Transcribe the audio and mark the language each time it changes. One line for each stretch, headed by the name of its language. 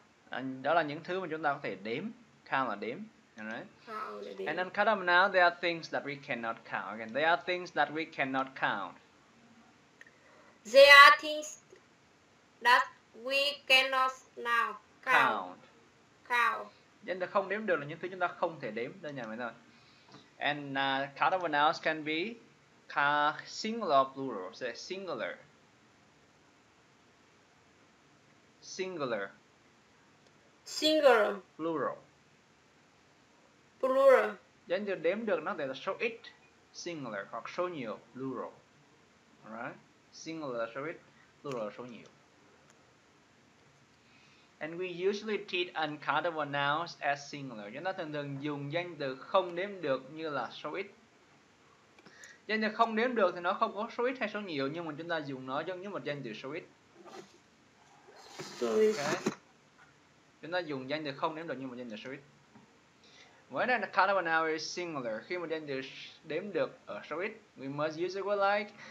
English: And
Vietnamese: đó là những thứ mà chúng ta có thể đếm. Count là đếm.
English: Alright. And uncountable nouns, they are things that we cannot count. Again, they are things that we cannot count. They are things that we cannot now count.
Vietnamese: Nên là không đếm được là những thứ chúng ta không thể đếm. Đơn giản vậy thôi.
English: And countable nouns can be singular or plural. Say singular. Singular. Singular. Plural. Plural.
Vietnamese: Danh từ đếm được nó thể là số ít, singular, hoặc số nhiều, plural.
English: Alright?
Vietnamese: Singular số ít, plural số nhiều.
English: And we usually treat uncountable nouns as singular.
Vietnamese: Chúng ta thường thường dùng danh từ không đếm được như là số ít. Danh từ không đếm được thì nó không có số ít hay số nhiều, nhưng mà chúng ta dùng nó giống như một danh từ số ít.
English: Okay.
Vietnamese: Chúng ta dùng danh từ không đếm được như một danh từ số ít.
English: When an countable noun is singular,
Vietnamese: khi một danh từ đếm được ở số ít,
English: we must use a word like.